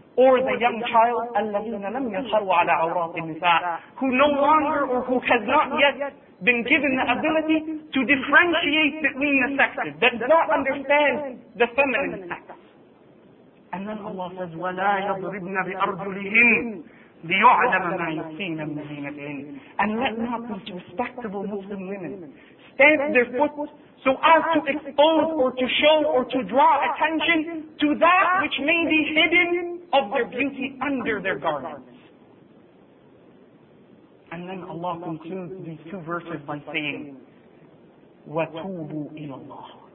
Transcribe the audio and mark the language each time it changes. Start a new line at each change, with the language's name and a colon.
English: Or the young child,
Arabic: الذين لم يظهروا على عورات النساء,
English: who no longer or who has not yet been given the ability to differentiate between the sexes, that does not understand the feminine sex. And then Allah says,
Arabic: وَلَا يَضْرِبْنَ بِأَرْجُلِهِنَّ لِيُعْلَمَ مَا يُخْفِينَ مِنْ زِينَتِهِنَّ.
English: And let not these respectable Muslim women stamp their foot so as to expose or to show or to draw attention to that which may be hidden of their beauty under their garments. And then Allah concludes these two verses by saying,
Arabic: وَتُوبُوا إِلَى اللَّهِ.